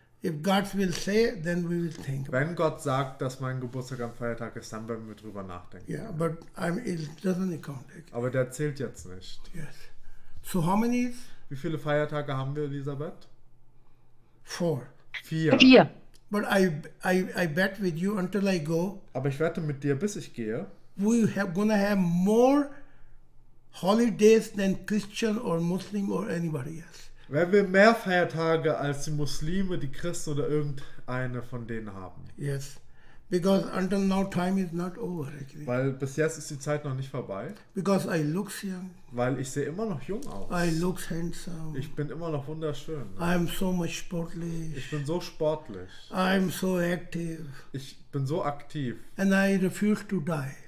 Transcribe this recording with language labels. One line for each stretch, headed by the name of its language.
English: If God will say, then we will think.
German: Wenn Gott sagt, dass mein Geburtstag am Feiertag ist, dann werden wir drüber nachdenken.
English: Yeah, but it doesn't count. Okay.
German: Aber der zählt jetzt nicht.
English: Yes. So how many is?
German: Wie viele Feiertage haben wir, Elisabeth?
English: Four.
German: Vier. Vier.
English: But I bet with you until I go.
German: Aber ich wette mit dir, bis ich gehe.
English: We have gonna have more holidays than Christian or Muslim or anybody else.
German: Wenn wir mehr Feiertage als die Muslime, die Christen oder irgendeine von denen haben.
English: Yes, because until now time is not over. Actually.
German: Weil bis jetzt ist die Zeit noch nicht vorbei.
English: Because I look young.
German: Weil ich sehe immer noch jung aus.
English: I look handsome.
German: Ich bin immer noch wunderschön.
English: I am so much sportlich.
German: Ich bin so sportlich.
English: I am so active.
German: Ich bin so aktiv.
English: And I refuse to die.